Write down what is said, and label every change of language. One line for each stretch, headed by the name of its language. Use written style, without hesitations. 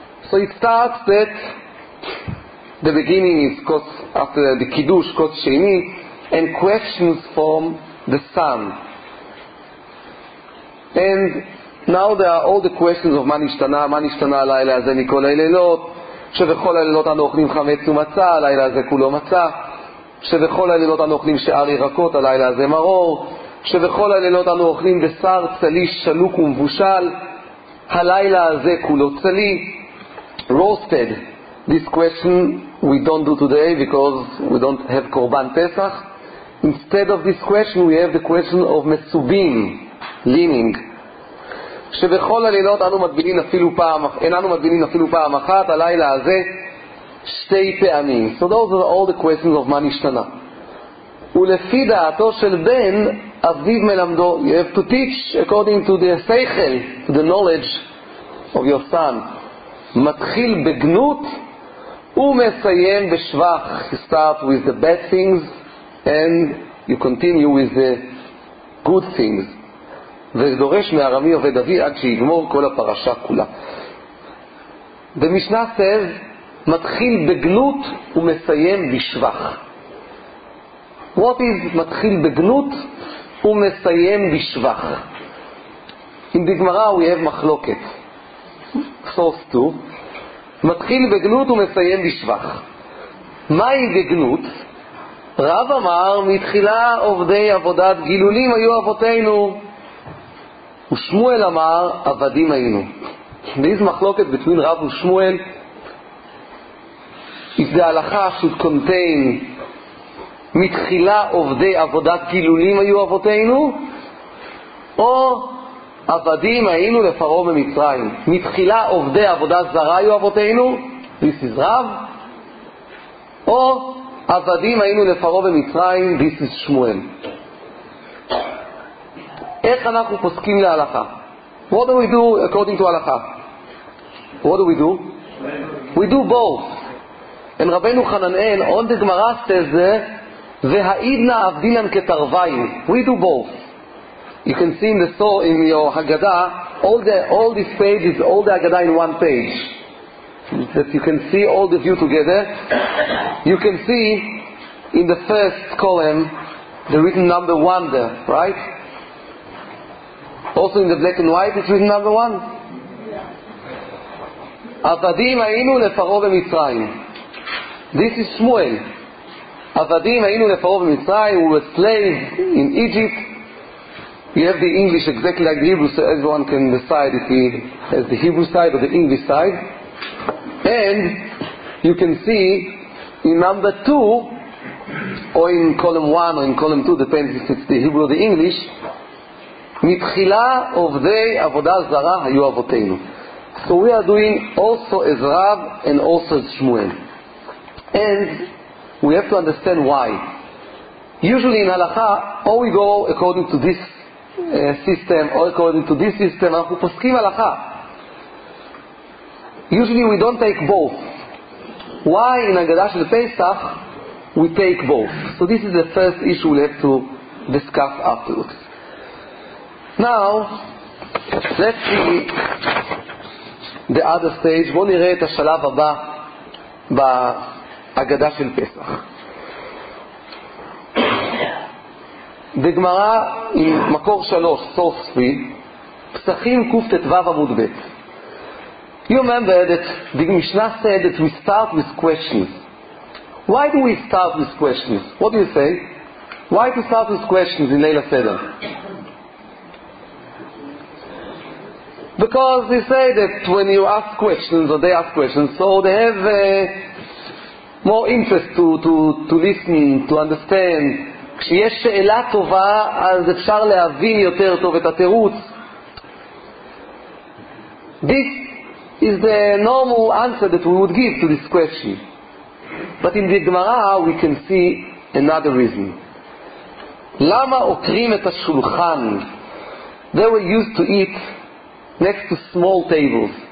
English: So it starts that the beginning is Kos, after the Kiddush, Kos Sheini, and questions from the son. And now there are all the questions of Manishtana, Manishtana, Laila, Zenikola, Lelot.
Hebrew: שבכל הלילות אנו אוכלים חמץ ומצה, הלילה הזה כולו מצה. שבכל הלילות אנו אוכלים שאר ירקות, הלילה הזה מרור. שבכל הלילות אנו אוכלים בשר צלי שלוק ומבושל, הלילה הזה כולו צלי.
English: Roasted. This question we don't do today because we don't have Korban Pesach. Instead of this question we have the question of מצובים, leaning.
Hebrew: שבכל הלילות אנו מדבינים אפילו פעם, איננו מדבינים אפילו פעם אחת, הלילה הזה שתי פעמים.
English: So those are all the questions of מה נשתנה.
Hebrew: ולפי דעתו של בן, אביו מלמדו,
English: you have to teach according to the seichel, the knowledge of your son.
Hebrew: מתחיל בגנות ומסיים בשבח.
English: You start with the bad things and you continue with the good things.
Hebrew: ודורש מארמי עובד אבי עד שיגמור כל הפרשה כולה. במשנה סב מתחיל בגנות ומסיים בשבח.
English: What is מתחיל בגנות ומסיים בשבח? In the Gemara we have מחלוקת. Source 2.
Hebrew: מתחיל בגנות ומסיים בשבח. מהי בגנות? רב אמר מתחילה עובדי עבודת גילולים היו אבותינו. ושמואל אמר עבדים היינו.
English: This מחלוקת between רב ושמואל, if the הלכה should contain
Hebrew: מתחילה עובדי עבודת גילולים היו אבותינו, או עבדים היינו לפרעה במצרים. מתחילה עובדי עבודה זרה היו אבותינו,
English: this is רב,
Hebrew: או עבדים היינו לפרעה במצרים,
English: this is שמואל.
Hebrew: איך אנחנו פוסקים להלכה?
English: What do we do according to הלכה? What do we do? We do both. And רבנו חננאל, on the Gemara says there,
Aramaic: והעידנה עבדינן כתרוויים.
English: We do both. You can see in the saw in your Haggadah, all these pages, all the Haggadah in one page. That you can see all the view together. You can see in the first column, the written number one there, right? Also in the black and white it's written number one.
Hebrew: עבדים היינו לפרעה במצרים.
English: This is Shmuel.
Hebrew: עבדים היינו לפרעה במצרים.
English: We were slaves in Egypt. You have the English exactly like the Hebrew, so everyone can decide if he has the Hebrew side or the English side. And you can see in number two, or in column one or in column two, depends if it's the Hebrew or the English,
Hebrew: מתחילה עובדי עבודה זרה היו אבותינו.
English: So we are doing also as Rav and also as Shmuel. And we have to understand why. Usually in halakha, or we go according to this system, or according to this system,
Hebrew: אנחנו פוסקים הלכה.
English: Usually we don't take both. Why in הגדה של פסח, we take both? So this is the first issue we have to discuss afterwards. Now, let's see the other stage.
Hebrew: בוא נראה את השלב הבא בהגדה של פסח. בגמרא עם מקור שלוש סוף ספי פסחים קופטת וו עמוד בית.
English: You remember that the Mishnah said that we start with questions. Why do we start with questions? What do you say? Why do we start with questions in Leila Seder? Because they say that when you ask questions or they ask questions, so they have more interest to listen, to understand.
Hebrew: כשיש שאלה טובה, אז אפשר להבין יותר טוב את התירוץ.
English: This is the normal answer that we would give to this question. But in the Gemara we can see another reason.
Hebrew: למה עוקרים את השולחן?
English: They were used to eat next to small tables.